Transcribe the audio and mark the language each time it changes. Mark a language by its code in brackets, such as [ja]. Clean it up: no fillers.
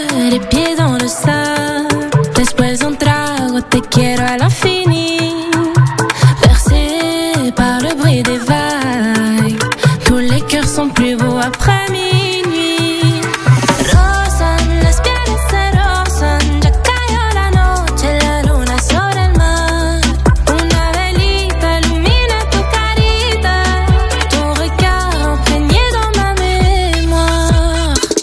[fr] Les pieds dans le sable, [es] después un trago, te quiero [fr] à l'infini. Percé par le bruit des vagues, tous les cœurs sont plus beaux après minuit. [es] Rosan, las pieles se rosan, ya cayó la noche, la luna sobre el mar. Una velita ilumina tu carita, [fr] ton regard imprégné dans ma mémoire.